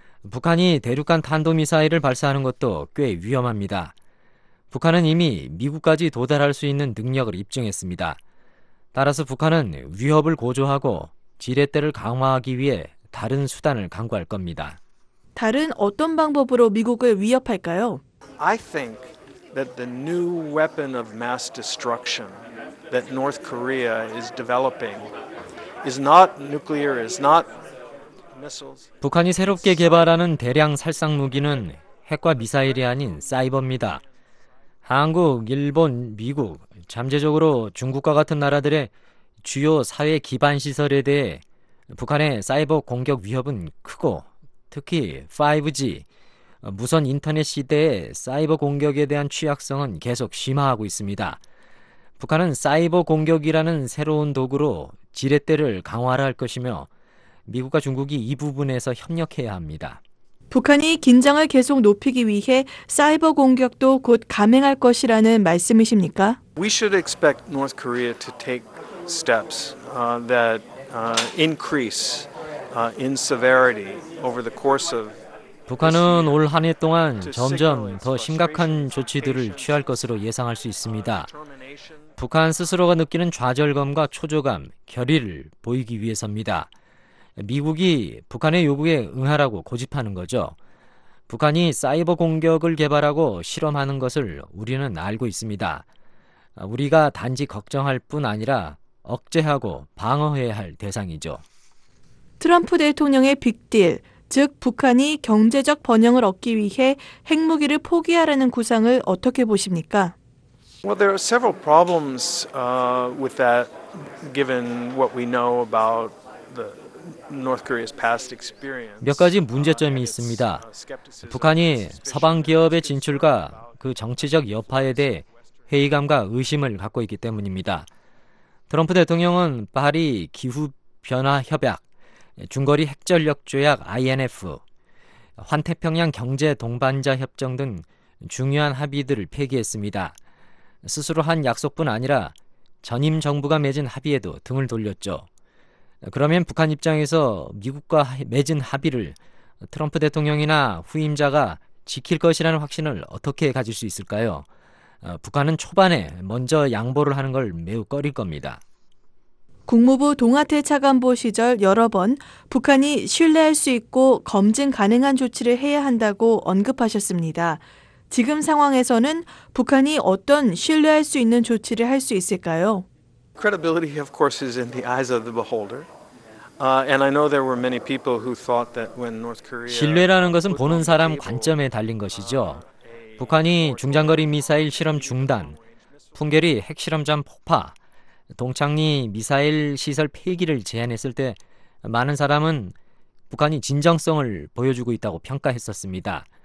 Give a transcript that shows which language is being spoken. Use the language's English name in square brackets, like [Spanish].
[Korean] 북한이 대륙간 탄도미사일을 발사하는 것도 꽤 위험합니다. 북한은 이미 미국까지 도달할 수 있는 능력을 입증했습니다. 따라서 북한은 위협을 고조하고 지렛대를 강화하기 위해 다른 수단을 강구할 겁니다. 다른 어떤 방법으로 미국을 위협할까요? [English] I think that the new weapon of mass destruction that North Korea is developing is not nuclear, is not missiles. [Korean] 북한이 새롭게 개발하는 대량 살상 무기는 핵과 미사일이 아닌 사이버입니다. 한국, 일본, 미국, 잠재적으로 중국과 같은 나라들의 주요 사회 기반 시설에 대해 북한의 사이버 공격 위협은 크고 특히 5G, 무선 인터넷 시대의 사이버 공격에 대한 취약성은 계속 심화하고 있습니다. 북한은 사이버 공격이라는 새로운 도구로 지렛대를 강화할 것이며 미국과 중국이 이 부분에서 협력해야 합니다. 북한이 긴장을 계속 높이기 위해 사이버 공격도 곧 감행할 것이라는 말씀이십니까? [English] We should expect North Korea to take steps that increase in severity over the course of [Korean] 북한은 올 한 해 동안 점점 더 심각한 조치들을 취할 것으로 예상할 수 있습니다. 북한 스스로가 느끼는 좌절감과 초조감, 결의를 보이기 위해서입니다. 미국이 북한의 요구에 응하라고 고집하는 거죠. 북한이 사이버 공격을 개발하고 실험하는 것을 우리는 알고 있습니다. 우리가 단지 걱정할 뿐 아니라 억제하고 방어해야 할 대상이죠. 트럼프 대통령의 빅딜, 즉 북한이 경제적 번영을 얻기 위해 핵무기를 포기하라는 구상을 어떻게 보십니까? [English] Well, there are several problems with that given what we know about the North Korea's past experience. [Korean] 몇 가지 문제점이 있습니다. 북한이 서방 기업의 진출과 그 정치적 여파에 대해 회의감과 의심을 갖고 있기 때문입니다. 트럼프 대통령은 파리 기후변화협약, 중거리 핵전력조약 INF, 환태평양 경제동반자협정 등 중요한 합의들을 폐기했습니다. 스스로 한 약속뿐 아니라 전임 정부가 맺은 합의에도 등을 돌렸죠. 그러면 북한 입장에서 미국과 맺은 합의를 트럼프 대통령이나 후임자가 지킬 것이라는 확신을 어떻게 가질 수 있을까요? 북한은 초반에 먼저 양보를 하는 걸 매우 꺼릴 겁니다. 국무부 동아태 차관보 시절 여러 번 북한이 신뢰할 수 있고 검증 가능한 조치를 해야 한다고 언급하셨습니다. 지금 상황에서는 북한이 어떤 신뢰할 수 있는 조치를 할 수 있을까요? [English] Credibility, of course, is in the eyes of the beholder. And I know there were many people who thought that when North Korea [Korean] 신뢰라는 것은 보는 사람 관점에 달린 것이죠. 북한이 중장거리 미사일 실험 중단, 풍계리 핵실험장 폭파, 동창리 미사일 시설 폐기를 제안했을 때 많은 사람은 북한이 진정성을 보여주고 있다고 평가했었습니다.